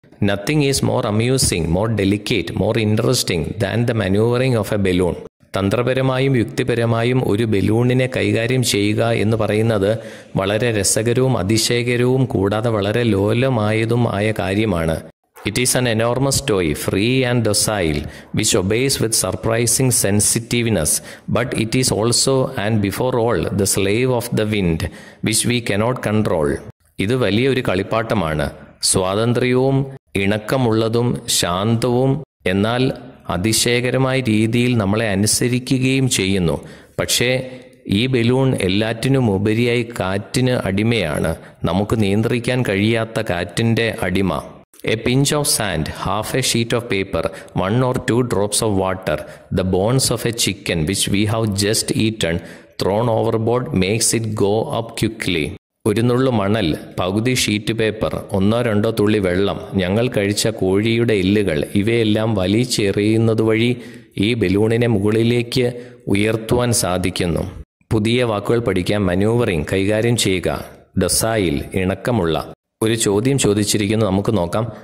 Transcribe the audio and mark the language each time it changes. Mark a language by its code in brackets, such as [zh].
[en] Nothing is more amusing, more delicate, more interesting than the manoeuvring of a balloon. [ml] തന്ത്രപരമായും യുക്തിപരമായും ഒരു ബലൂണിനെ കൈകാര്യം ചെയ്യുക എന്ന് പറയുന്നത് വളരെ രസകരവും അതിശയകരവും കൂടാതെ വളരെ ലോലമായതും ആയ കാര്യമാണ്. [en] It is an enormous toy, free and docile, which obeys with surprising sensitiveness. But it is also, and before all, the slave of the wind, which we cannot control. [ml] ഇത് വലിയൊരു കളിപ്പാട്ടമാണ്. സ്വാതന്ത്ര്യവും ഇണക്കമുള്ളതും ശാന്തവും എന്നാൽ അതിശയകരമായ രീതിയിൽ നമ്മളെ അനുസരിക്കുകയും ചെയ്യുന്നു. പക്ഷേ ഈ ബലൂൺ എല്ലാറ്റിനും ഉപരിയായി കാറ്റിന് അടിമയാണ്, നമുക്ക് നിയന്ത്രിക്കാൻ കഴിയാത്ത കാറ്റിൻ്റെ അടിമ. [en] A pinch of sand, half a sheet of paper, one or two drops of water, the bones of a chicken which we have just eaten, thrown overboard makes it go up quickly. [ml] ഒരു നുള്ളു മണൽ, പകുതി sheet paper, ഒന്നോ രണ്ടോ തുള്ളി വെള്ളം, ഞങ്ങൾ കഴിച്ച കോഴിയുടെ എല്ലുകൾ, ഇവയെല്ലാം വലിച്ചെറിയുന്നതുവഴി ഈ ബലൂണിനെ മുകളിലേക്ക് ഉയർത്തുവാൻ സാധിക്കുന്നു. പുതിയ വാക്കുകൾ പഠിക്കാൻ മനൂവറിംഗ് കൈകാര്യം ചെയ്യുക. ഡസായിൽ ഇണക്കമുള്ള ഒരു ചോദ്യം ചോദിച്ചിരിക്കുന്നു, നമുക്ക് നോക്കാം.